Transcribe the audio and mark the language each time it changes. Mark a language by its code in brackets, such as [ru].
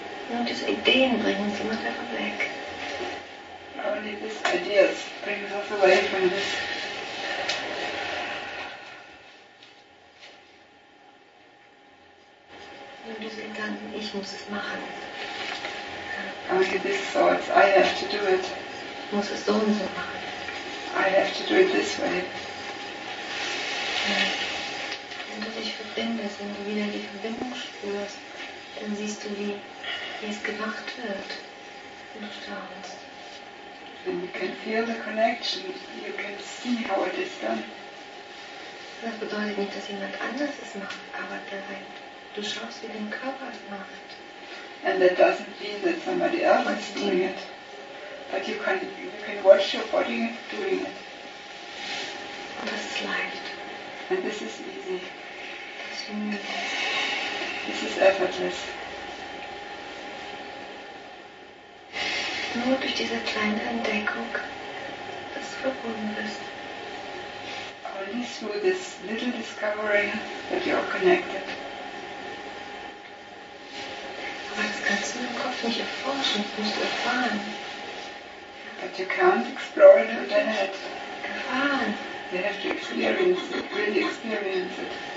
[de] Und diese Ideen bringen uns immer davon weg. [en] Only these ideas bring us away from this. [de] Und diese Gedanken, ich muss es machen. [en] Only these thoughts, I have to do it. [de] Ich muss es so und so machen. [en] I have to do it this way. [de] Wenn du dich verbindest, wenn du wieder die Verbindung spürst, dann siehst du die. Wie es gemacht wird, wenn du staunst. [en] When you can feel the connection, you can see how it is done. [de] Das bedeutet nicht, dass jemand anders es macht, aber du schaust, wie dein Körper es macht. [en] And that doesn't mean that somebody else is doing it. But you can watch your body doing it. [de] Und das ist leicht. [en] And this is easy. [de] Das ist möglich. [en] This is effortless. [de] Nur durch diese kleine Entdeckung, dass du verbunden bist. [en] Only through this little discovery that you are connected. [de] Aber das kannst du im Kopf nicht erforschen, nicht erfahren. [en] But you can't explore it in your head. [de] Erfahren. [en] You have to experience it, really experience it.